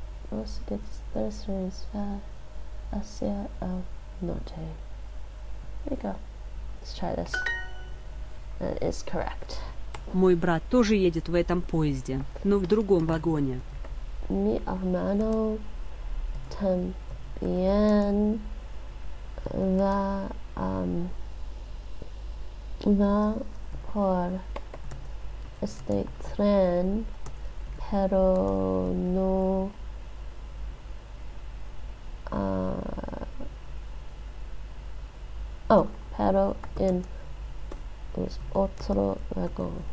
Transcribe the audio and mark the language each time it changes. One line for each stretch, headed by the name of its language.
Spanish: Los siguientes tres trenes van hacia el norte.
English: There you go. Let's try this. That is correct.
Russian: Мой брат тоже едет в этом поезде, но в другом вагоне.
Spanish: Mi hermano también va, va por este tren, pero no, oh, pero en los otro vagón.